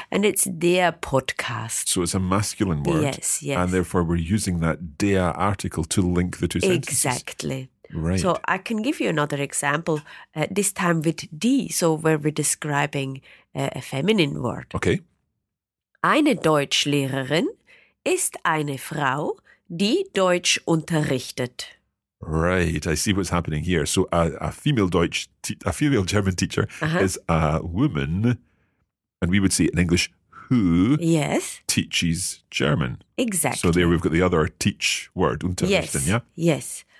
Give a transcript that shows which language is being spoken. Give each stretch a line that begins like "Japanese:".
English: And it's der Podcast. So it's a masculine word. Yes, yes. And therefore we're using that der article to link the two sentences. Exactly. Right. So I can give you another example, this time with die, so where we're describing a feminine word. Okay.
German: Eine Deutschlehrerin ist eine Frau, die Deutsch unterrichtet.
English: Right, I see what's happening here. So a female German teacher is a woman, and we would say in English, who teaches German. Exactly. So there we've got the other teach word, unterrichten, yes. Yeah? Yes.